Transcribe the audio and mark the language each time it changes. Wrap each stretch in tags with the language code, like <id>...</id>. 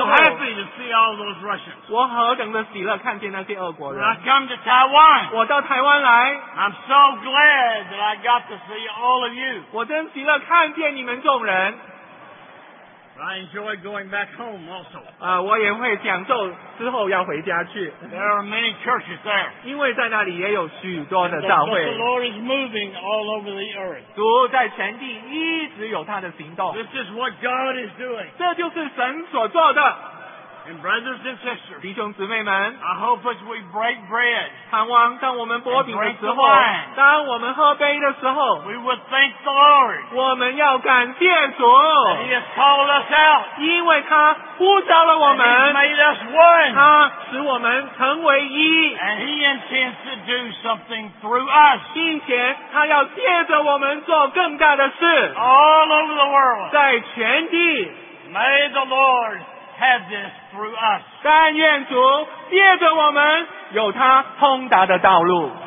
<en>I'm so happy to see all those Russians.</en> <zh>我何等的喜乐看见那些俄国人。</zh> <en>When I come to Taiwan.</en> <zh>我到台湾来。</zh> <en>I'm so glad that I got to see all of you.</en> <zh>我真喜乐看见你们众人。</zh> <en>I enjoy going back home also.</en> <zh>我也会享受之后要回家去。</zh> <en>There are many churches there.</en> <zh>因为在那里也有许多的教会。</zh> <en>The Lord is moving all over the earth.</en> <zh>主在全地一直有他的行动。</zh> <en>This is what God is doing.</en> <zh>这就是神所做的。</zh> <en>And brothers and sisters,</en> <zh>弟兄姊妹们</zh> <en>I hope as we break bread,</en> <zh>盼望当我们擘饼的时候</zh> <en>and break the wine,</en> <zh>当我们喝杯的时候</zh> <en>we will thank the Lord,</en> <zh>我们要感谢主</zh> <en>that he has called us out,</en> <zh>因为他呼召了我们</zh> <en>and he made us one,</en> <zh>他使我们成为一</zh> <en>and he intends to do something through us,</en> <zh>并且他要借着我们做更大的事</zh> <en>all over the world,</en> <zh>在全地</zh> <en>may the Lord have this through us.</en> <zh>但愿主借着我们有他通达的道路。</zh>